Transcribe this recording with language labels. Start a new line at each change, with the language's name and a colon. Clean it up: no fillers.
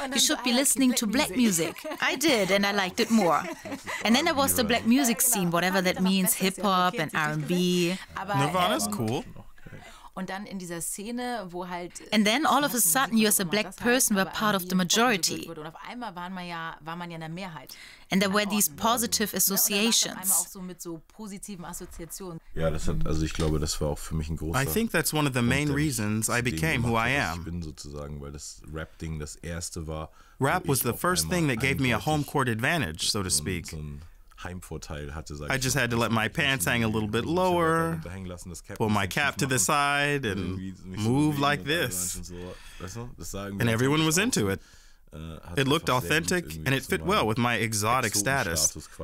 English: You should be listening to black music. I did, and I liked it more. And then there was the black music scene, whatever that means, hip-hop and R&B. Nirvana's cool.
German: Und dann in dieser Szene, wo halt
English: and then all of a sudden you as a black person were part of the majority.
German: Und auf einmal war man ja in der Mehrheit.
English: And there were these positive associations.
German: Ja, auch so mit so positiven Assoziationen. Ja, das hat, also ich glaube, das war auch für mich ein großer
English: I think that's one of the main reasons I became who I am.
German: Ich bin sozusagen, weil das Rap Ding das erste war.
English: Rap was the first thing that gave me a home court advantage, so to speak. I just had to let my pants hang a little bit lower, pull my cap to the side, and move like this. And everyone was into it. It looked authentic, and it fit well with my exotic status.